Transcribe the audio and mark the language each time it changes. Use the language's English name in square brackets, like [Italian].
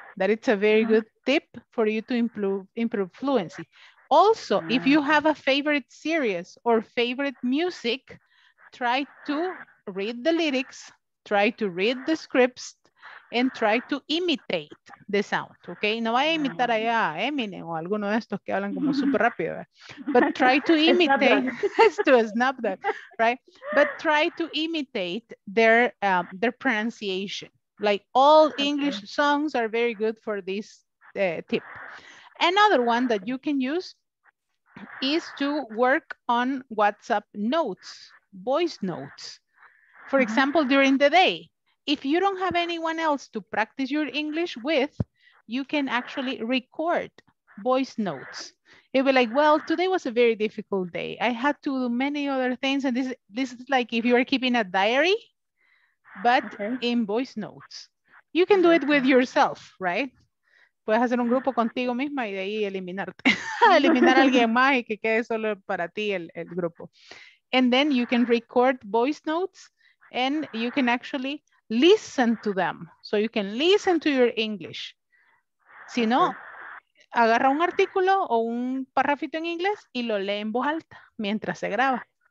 [English] That it's a very good tip for you to improve fluency. Also, if you have a favorite series or favorite music, try to read the lyrics, try to read the scripts, and try to imitate the sound, okay? [Spanish] No vaya a imitar allá a Eminem o alguno de estos que hablan como súper rápido, ¿eh? [English] But try to imitate, it's to snap that, right? But try to imitate their pronunciation. Like all English songs are very good for this tip. Another one that you can use is to work on WhatsApp notes, voice notes. For example, during the day, if you don't have anyone else to practice your English with, you can actually record voice notes. It'll be like, well, today was a very difficult day. I had to do many other things. And this is like if you are keeping a diary, but in voice notes. You can do it with yourself, right? [Spanish] Puedes hacer un grupo contigo misma y de ahí eliminarte. Eliminar a alguien más y que quede solo para ti el grupo. [English] And then you can record voice notes and you can actually listen to them. So you can listen to your English. [Spanish] Si no, agarra un artículo o un párrafito en inglés y lo lee en voz alta mientras se graba.